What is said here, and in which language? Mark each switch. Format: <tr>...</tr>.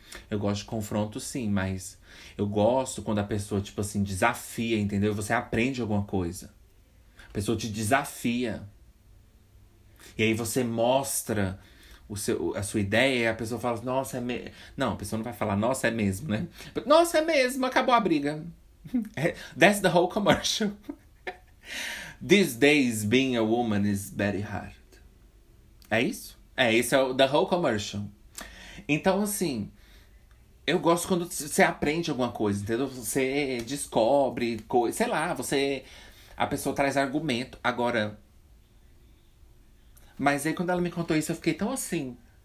<pt>Eu gosto de confronto, sim, mas eu gosto quando a pessoa, tipo assim, desafia, entendeu? Você aprende alguma coisa. A pessoa te desafia. E aí você mostra a sua ideia, e a pessoa fala, nossa, é mesmo. Não, a pessoa não vai falar, nossa, é mesmo, né? Nossa, é mesmo, acabou a briga.</pt> <en>That's the whole commercial. These days being a woman is very hard.</en> <pt>É isso? É, esse é o</pt> <en>the whole commercial.</en> <pt>Então, assim, eu gosto quando você aprende alguma coisa, entendeu? Você descobre coisa, sei lá, você. A pessoa traz argumento. Agora. Mas aí, quando ela me contou isso, eu fiquei tão assim.</pt>